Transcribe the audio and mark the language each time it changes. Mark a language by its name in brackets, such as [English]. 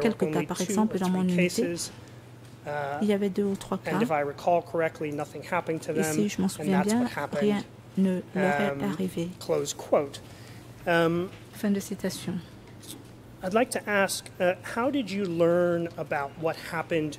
[French] Quelques cas, par exemple, dans mon unité, il y avait deux ou trois cas. [English] And if I recall correctly, nothing happened to them, [French] et si je m'en souviens bien, rien ne leur est arrivé. [English] Close quote. [French] Fin de citation. [English] I'd like to ask, how did you learn about what happened